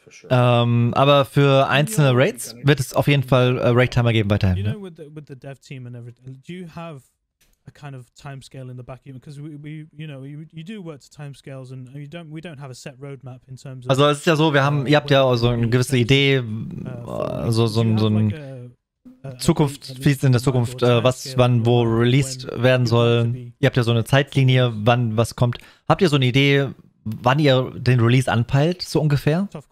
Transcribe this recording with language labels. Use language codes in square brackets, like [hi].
[de] Aber für einzelne Raids wird es auf jeden Fall Raid-Timer geben weiterhin. Ne? [en] With the dev team and everything, do you have a kind of timescale in the back, because you do work to timescales and we don't have a set roadmap in terms of. [de] Also es ist ja so, ihr habt ja auch so eine gewisse Idee, so ein Zukunft, wie es in der Zukunft, was wann wo released werden soll. Ihr habt ja so eine Zeitlinie, wann was kommt. Habt ihr so eine Idee, wann ihr den Release anpeilt, so ungefähr?